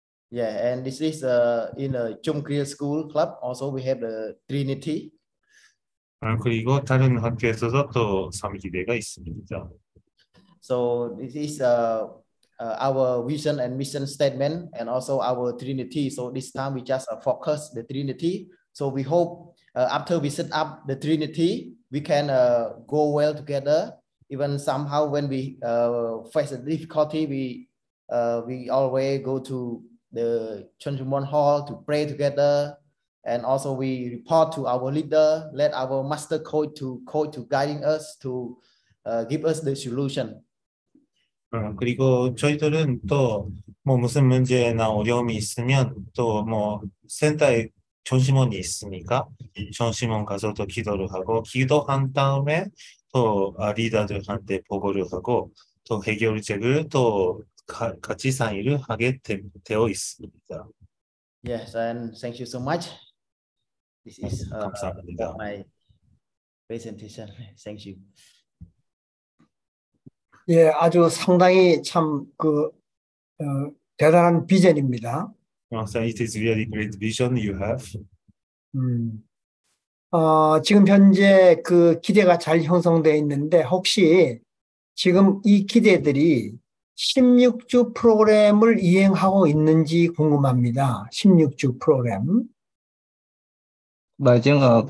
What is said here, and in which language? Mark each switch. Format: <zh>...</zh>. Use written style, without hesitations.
<en>Yeah, and this is in a Chung Kriel School Club. Also, we have the Trinity.</en> <ko>그리고 다른 학교에서도 또 3인체가 있습니다.</ko> <en>So this is our vision and mission statement, and also our Trinity. So this time we just focus the Trinity. So we hope after we set up the Trinity, we can go well together. Even somehow when we face a difficulty, we always go to the Chonchumon Hall to pray together, and also we report to our leader, let our master coach to guiding us to give us the solution.</en> <ko>그리고 저희들은 또 뭐 무슨 문제나 어려움이 있으면 또 뭐 센터에 전심원이 있으니까 전심원 가서 또 기도를 하고 기도한 다음에 또 리더들한테 보고를 하고 또 해결책을 또 같이 상의를 하게 되어 있습니다.</ko> <en>Yes, and thank you so much. This is</en> <ko>감사합니다.</ko> <en>My presentation. Thank you.</en> <ko>예, 아주 상당히 참 그 대단한 비전입니다.</ko> <en>So it is really great vision you have.</en> <ko>지금 현재 그 기대가 잘 형성되어 있는데 혹시 지금 이 기대들이 16주 프로그램을 이행하고 있는지 궁금합니다. 16주 프로그램. 맞아요.</ko>